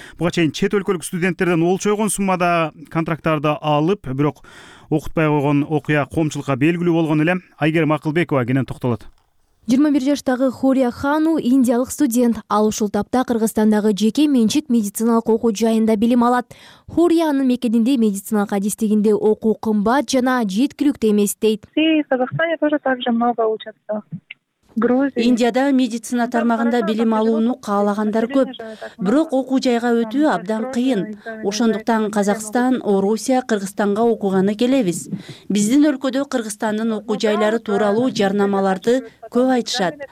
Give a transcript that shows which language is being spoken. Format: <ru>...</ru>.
<ky>Буга чейин чет өлкөлүк студенттерден олчойгон суммада контракттарды алып, бирок окутпай койгон окуя коомчулукка белгилүү болгон эле. Айгерим Акылбекова кенен токтолот. 21 жаштагы Хория Хану индиялык студент. Ал ушул тапта Кыргызстандагы жеке менчик медициналык окуу жайында билим алат. Хория анын мекенинде медициналык адистигинде окуу кымбат жана жеткиликтүү эмес дейт.</ky> <ru>Казахстане тоже так же много учатся.</ru> <ky>Индияда медицина тармагында билим алууну каалагандар көп, бирок окуу жайга өтүү абдан кыйын. Ошондуктан Казакстан, Орусия, Кыргызстанга окуганы келебиз. Биздин өлкөдө Кыргызстандын окуу жайлары тууралуу жарнамаларды көп айтышат.</ky>